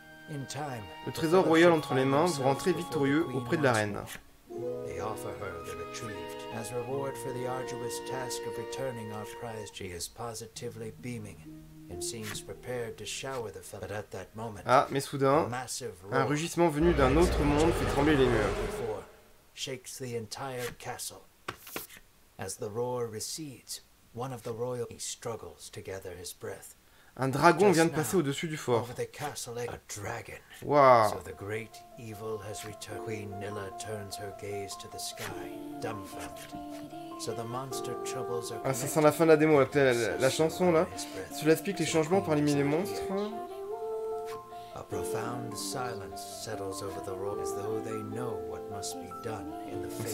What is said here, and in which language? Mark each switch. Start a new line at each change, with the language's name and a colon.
French: Le trésor royal entre les mains, vous rentrez victorieux auprès de la reine.
English: They offer her the retrieved as reward for the arduous task of returning our prize. She is positively beaming and seems prepared to shower the fellow. But at that moment,
French: ah, mais soudain, un rugissement venu d'un autre monde fait trembler les murs.
English: Shakes the entire castle. As the roar recedes, one of the royal struggles to gather his breath.
French: Un dragon vient de passer au-dessus du fort.
English: Over the castle, a dragon. Wow. So the great evil has returned. Queen Nilla turns her gaze to the sky, dumbfounded. So the monster troubles are.
French: Ah, ça sent la fin de la démo, la chanson là. Cela explique les changements parmi les monstres.
English: A profound silence settles over the world as though they know what must be done in the face.